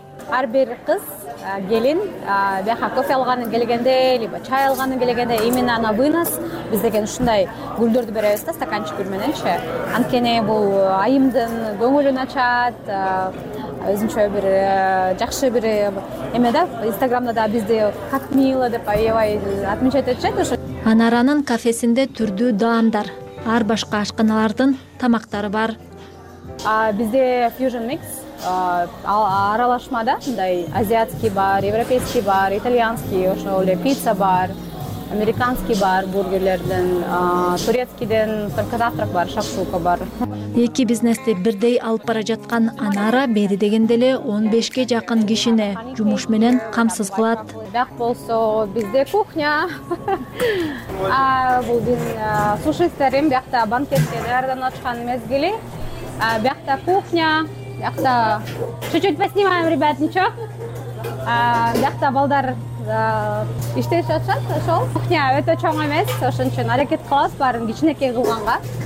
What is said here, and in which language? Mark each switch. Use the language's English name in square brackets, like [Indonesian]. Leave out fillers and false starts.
[Kyrgyz] Ар бир кыз келин бияка кофе алганы келгенде, либо чай алганы келгенде [Russian] именно на вынос [Kyrgyz] биз деген ушундай гүлдөрдү беребиз да, стаканчиктер мененчи. Анткени бул айымдын көңүлүн ачат, өзүнчө бир жакшы бир эме да. Инстаграмда да бизди [Russian] как мило [Kyrgyz] деп аябай отмечать этишет. Ушу Анаранын кафесинде түрдүү даамдар, ар башка ашканалардын тамактары бар. Бизде [English] fusion mix [Kyrgyz] аралашма да, мындай азиатский бар, европейский бар, итальянский, ошол эле пицца бар, американский бар, бургерлерден, турецкийден [Russian] только завтрак [Kyrgyz] бар, шакшука бар. Эки бизнести бирдей алып бара жаткан Анара бери дегенде эле 15ге жакын кишини жумуш менен камсыз кылат. Бияк болсо бизде кухня. Бул биздин сушистер эми биякта банкетке даярданып аткан мезгили. Биякта кухня. [Russian] Бияқта чуть-чуть поснимаем, ребят, ничего. [Kyrgyz] Бияқта балдар иштешип атышат, ошол кухня өтө чоң эмес, ошон үчүн аракет кылабыз баарын кичинекей кылганга.